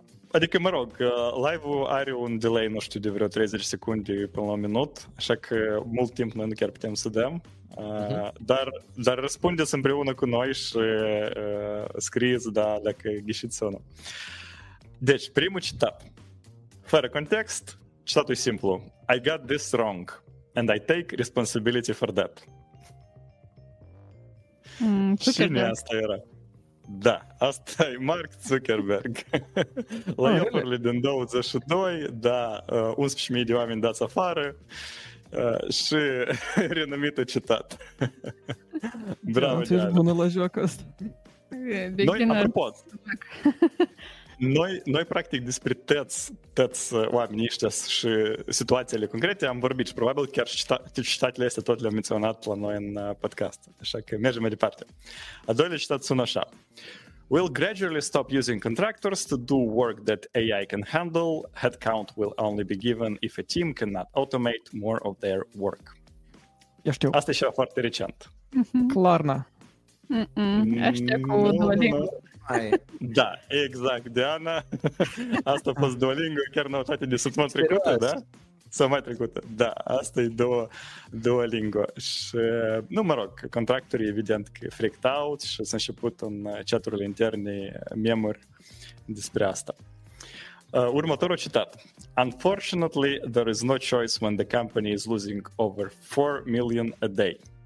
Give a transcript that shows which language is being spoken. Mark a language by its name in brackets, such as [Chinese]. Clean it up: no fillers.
[Romanian] Adică, mă rog, live-ul are un delay, nu știu, de vreo 30 secunde până la un minut, așa că mult timp noi nu chiar putem să dăm. Dar răspundeți împreună cu noi și scrieți dacă ghișiți sau nu. Deci, primul citat. Fără context, citatul e simplu. [English] I got this wrong and I take responsibility for that. [Romanian] Cine asta era? Da, asta e Mark Zuckerberg. La iopurile din 22, da, 11.000 de oameni dați afară și renumită citat. Bravo, Diana. Ești bună la joc ăsta. Noi, apropo, noi practic despre toți oamenii ăștia și situațiile concrete am vorbit și probabil chiar și citatele astea tot le-am menționat la noi în podcast. Așa că mergem mai departe. A doilea citat sună așa. [English] We'll gradually stop using contractors to do work that AI can handle. Headcount will only be given if a team cannot automate more of their work. [Romanian] Eu știu. Asta e ceva foarte recent. Klarna. Așteptă cu Duolingo. Da, exact, Diana. Asta a fost Duolingo, chiar noutate de săptămâna trecută, da? Sau mai trecută. Da, asta e Duolingo. Și, nu mă rog, contractorii evident că [English] freaked out [Romanian] și s-a început în chat-urile interne memuri despre asta. Următorul citat. [English] Unfortunately, there is no choice when the company is losing over 4 million a day.